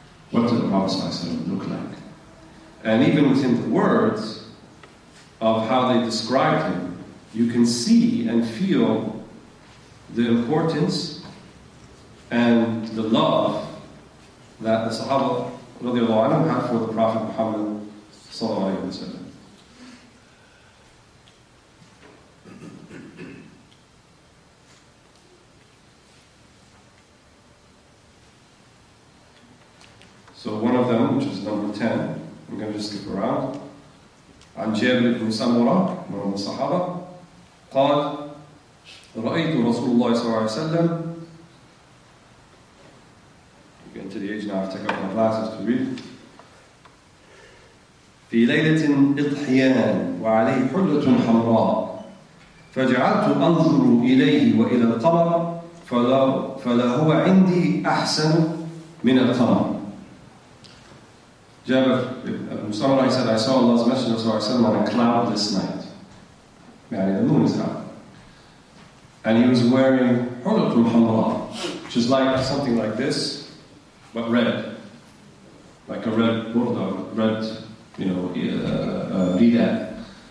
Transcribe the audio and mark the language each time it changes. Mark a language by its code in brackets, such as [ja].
[en] What did the Prophet ﷺ look like? And even within the words of how they described him, you can see and feel the importance and the love that the Sahaba radiallahu anhu had for the Prophet Muhammad sallallahu alaihi wasallam. So one of them, which is number 10, I'm going to just skip around. [ar] عن جابر بن سمرة من الصحابة قال رأيت رسول الله صلى الله عليه وسلم. [en] We're getting to the age now, I have to take off my glasses to read. [ar] في ليلة إضحيان وعليه حلة حمراء فجعلت أنظر إليه وإلى القمر فلا هو عندي أحسن من القمر. [en] Jabir ibn Samurai said, I saw Allah's Messenger on a cloud this night. Yani the moon is out. And he was wearing hulatul hamra, which is like something like this, but red. Like a red burda, red, you know, bidat.